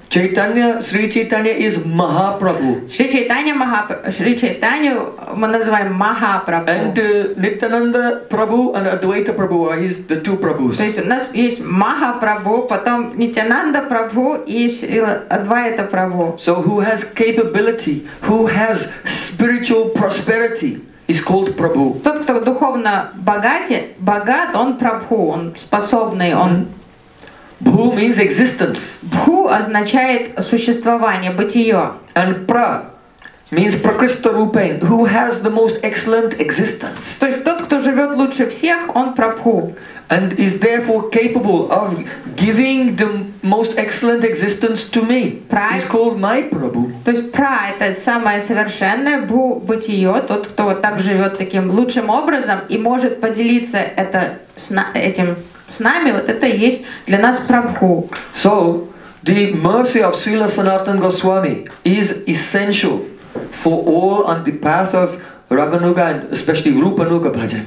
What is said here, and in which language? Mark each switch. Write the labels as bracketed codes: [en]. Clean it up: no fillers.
[en] Чайтанья, Шри Чайтанья is Махапрабху. [ru] Шри Чайтанья Шри Чайтанью мы называем Махапрабху. [en] And Нитянанда Прабху and Адвайта Прабху are the two Прабхус. [ru] То есть у нас есть Махапрабху, потом Нитянанда Прабху и Адвайта Прабху. [en] So who has capability, who has spiritual prosperity, is called Prabhu. [ru] Тот, кто духовно богат, он Прабху, он способный, он. [en] Bhu means existence. [ru] Bhu означает существование, бытие. [en] And pra means [sa] prakrista rupen, [en] who has the most excellent existence. [ru] То есть тот, кто живет лучше всех, он Прабху. [en] And is therefore capable of giving the most excellent existence to me. Pra, he's called my Prabhu. [ru] То есть pra это самое совершенное бытие, тот, кто вот так живет таким лучшим образом и может поделиться это с нами, вот это есть для нас Прабху. [en] So the mercy of Srila Sanatan Goswami is essential for all on the path of Рагануга, especially Рупануга Бхаджан.